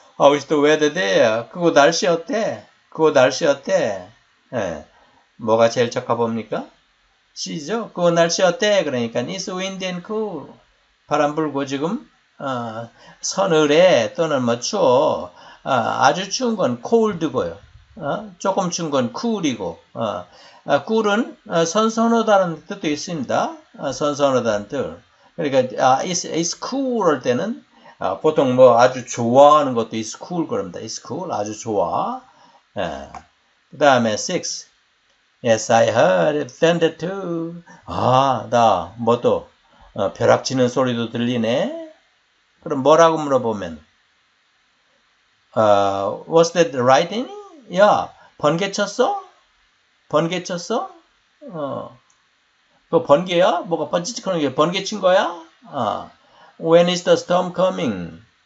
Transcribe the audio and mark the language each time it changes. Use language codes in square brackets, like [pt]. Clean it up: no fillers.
[en] How is the weather there? [ko] 그거 날씨 어때? 그거 날씨 어때? 예. 뭐가 제일 적합합니까? C죠? 그 날씨 어때? 그러니까 [en] It's windy and cool. [ko] 바람 불고 지금 서늘해 또는 뭐 추워. 아주 추운 건 cold고요. 조금 추운 건 cool이고. cool은 선선하다는 뜻도 있습니다. 선선하다는 뜻. 그러니까 it's cool 할 때는 보통 뭐 아주 좋아하는 것도 it's cool 그럽니다. It's cool 아주 좋아. 그 다음에 6. [en] Yes, I heard it thunder too. [ko] 아, 나 뭐 또 벼락치는 소리도 들리네. 그럼 뭐라고 물어보면 [en] Was that lightning? [ko] 야, 번개 쳤어? 번개 쳤어? 또 번개야? 뭐가 번지직하는 게 번개 친 거야? [en] When is the storm coming?